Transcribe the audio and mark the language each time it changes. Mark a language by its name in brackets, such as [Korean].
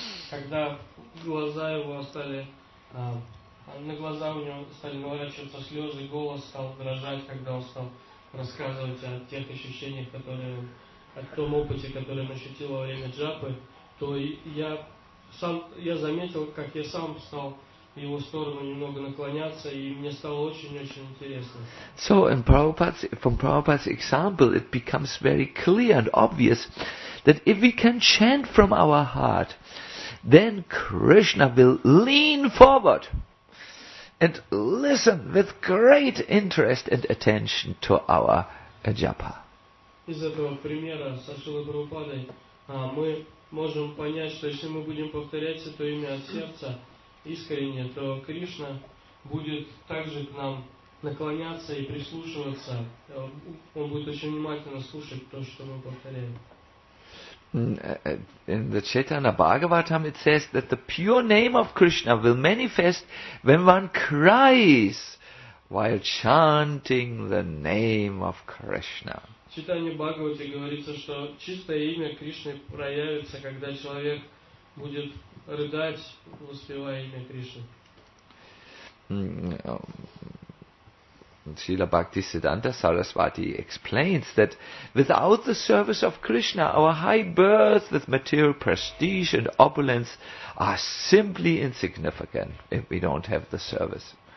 [Russian] Когда глаза его стали, на глаза у него стали наворачиваться слезы, голос стал дрожать, когда он стал рассказывать о тех ощущениях, которые, о том опыте, который он ощутил во время джапы, то я заметил, как я сам стал его сторону немного наклоняться, и мне стало очень-очень интересно. [English] So in Prabhupada's, from Prabhupada's example, it becomes very clear and obvious that if we can chant from our heart, then Krishna will lean forward and listen with great interest and attention to our japa. [Russian] Из этого примера со Шрилой Прабхупадой мы можем понять, что если мы будем повторять это имя от сердца искренне, то Кришна будет также к нам наклоняться и прислушиваться. Он будет очень внимательно слушать то, что мы повторяем. [English] In the Chaitanya Bhagavatam it says that the pure name of Krishna will manifest when one cries while chanting the name of Krishna. [Russian] В Читании Бхагавате говорится, что чистое имя Кришны проявится, когда человек будет рыдать, воспевая имя Кришны. [English] Srila Bhaktisiddhanta Saraswati explains that without the service of Krishna, our high birth with material prestige and opulence are simply insignificant if we don't have the service.